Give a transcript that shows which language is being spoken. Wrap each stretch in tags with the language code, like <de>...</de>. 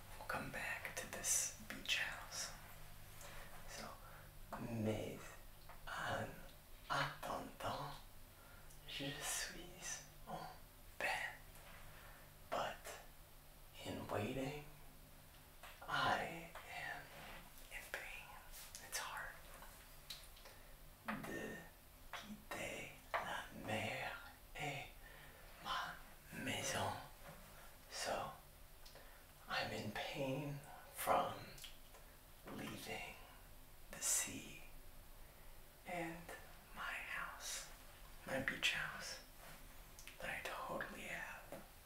<en>We'll come back to this beach house.</en> <fr>So, mais en attendant, je suis en peine.</fr> <en>But in waiting, I am in pain. It's hard.</en> <fr>De quitter la mer et ma maison.</fr> <en>So, I'm in pain from leaving the sea and my house, my beach house, that I totally have.</en>